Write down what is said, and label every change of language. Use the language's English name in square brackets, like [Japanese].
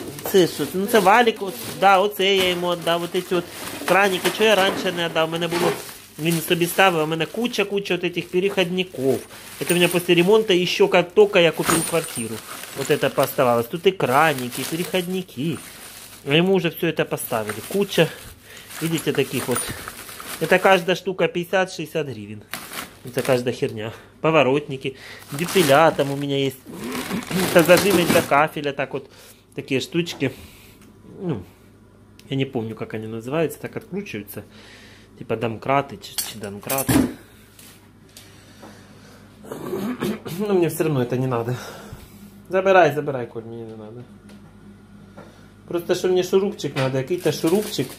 [Russian] Слышишь, ну это валик, вот, да, вот это я ему отдал, вот эти вот краники, что я раньше не отдал, у меня было... [Ukrainian] Він собі ставив, у мене куча-куча от цих переходників. Це в мене після ремонту, і ще як тільки я купив квартиру. От це поставалось. Тут і краники, і переходники. А йому вже все це поставили. Куча, видите, таких от. Це кожна штука 50-60 гривень. Це кожна херня. Поворотники. Дюпеля там у мене є. Це зажими для кафеля, так от. Такі штучки. [Russian] ну, я не помню, как они называются, так откручиваются, типа домкраты, чедомкраты. Но мне все равно это не надо. Забирай, забирай, Коль, мне не надо. Просто что мне шурупчик надо, какой-то шурупчик.